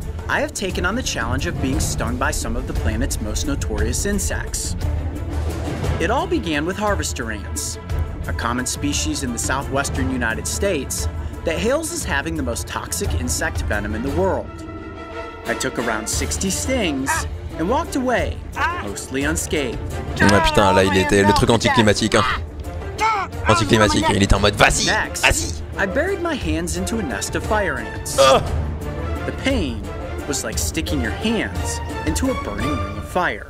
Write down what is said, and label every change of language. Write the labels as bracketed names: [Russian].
[English] I have taken on the challenge of being stung by some of the planet's most notorious insects. It all began with harvester ants, a common species in the southwestern United States that hails as having the most toxic insect venom in the world. I took around 60 stings and walked away, mostly unscathed. [French] Ah putain, là il était le truc anticlimatique, hein. Anticlimatique, il était en mode vas-y, vas-y. [English] I buried my hands into a nest of fire ants. The pain was like sticking your hands into a burning ring of fire.